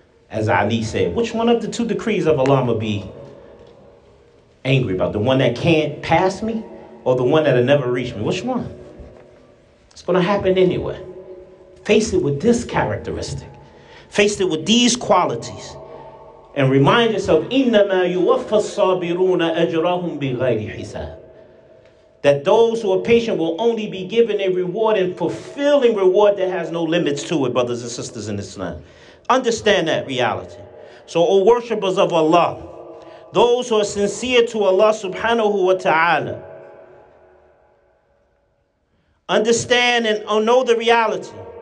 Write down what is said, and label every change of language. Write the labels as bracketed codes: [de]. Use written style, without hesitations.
[en] As Ali said, which one of the two decrees of Allah will be angry about? The one that can't pass me or the one that'll never reach me? Which one? It's going to happen anyway. Face it with this characteristic. Face it with these qualities. And remind yourself, [ar] إِنَّمَا يُوَفَّى الصَّابِرُونَ أَجْرَهُمْ بِغَيْرِ حِسَابٍ. [en] That those who are patient will only be given a reward and fulfilling reward that has no limits to it, brothers and sisters in Islam. Understand that reality. So, O worshippers of Allah, those who are sincere to Allah subhanahu wa ta'ala, understand and know the reality.